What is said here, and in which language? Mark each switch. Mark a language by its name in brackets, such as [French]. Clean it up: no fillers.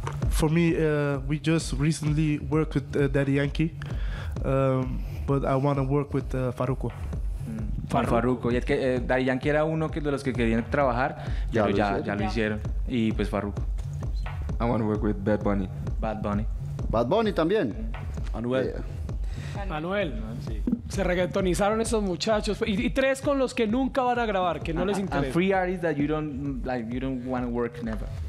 [English] For me, we just recently worked with Daddy Yankee, but I want to work with Farruko. Farruko. [Spanish] Y es que Daddy Yankee era uno de los que querían trabajar, ya pero ya lo hicieron. Y pues Farruko. [English] I want to work with Bad Bunny. Bad Bunny. [Spanish] Bad Bunny también. Anuel. Anuel. Se reggaetonizaron esos muchachos. Y tres con los que nunca van a grabar, que no les interesa. [English] And three artists that you don't like, you don't want to work never.